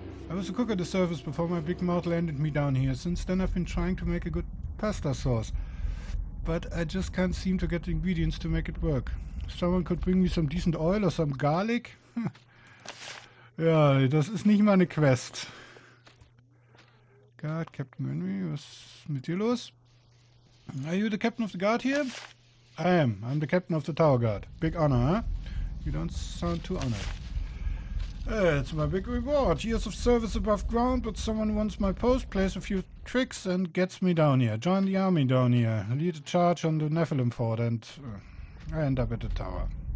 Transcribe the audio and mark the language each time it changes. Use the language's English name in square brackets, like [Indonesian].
[English] I was a cook at the service before my big mouth landed me down here. Since then I've been trying to make a good pasta sauce. But I just can't seem to get the ingredients to make it work. Someone could bring me some decent oil or some garlic? [German] Ja, das ist nicht meine Quest. Guard, Captain Henry, was ist mit dir los? [English] Are you the captain of the guard here? I am. I'm the captain of the tower guard. Big honor, huh? You don't sound too honored. It's my big reward. Years of service above ground, but someone wants my post, plays a few tricks and gets me down here. Join the army down here. Lead a charge on the Nephilim fort and I end up at the tower.